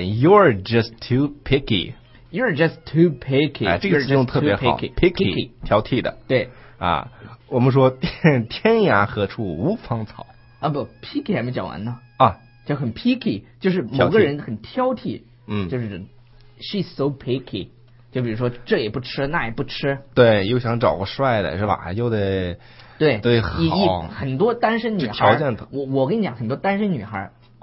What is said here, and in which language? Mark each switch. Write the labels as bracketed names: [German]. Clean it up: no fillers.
[English] You're just too picky. You're just too picky. [Chinese] 这个词用特别好。 [English] Picky, [Chinese] 挑剔的。对。啊，我们说天涯何处无芳草。啊不 ,picky 还没讲完呢。啊，就很 picky, 就是某个人很挑剔。嗯， [English] 就是 she's so picky. [Chinese] 就比如说这也不吃那也不吃。对，又想找个帅的是吧，又得。对对，好。很多单身女孩。条件的。我跟你讲，很多单身女孩。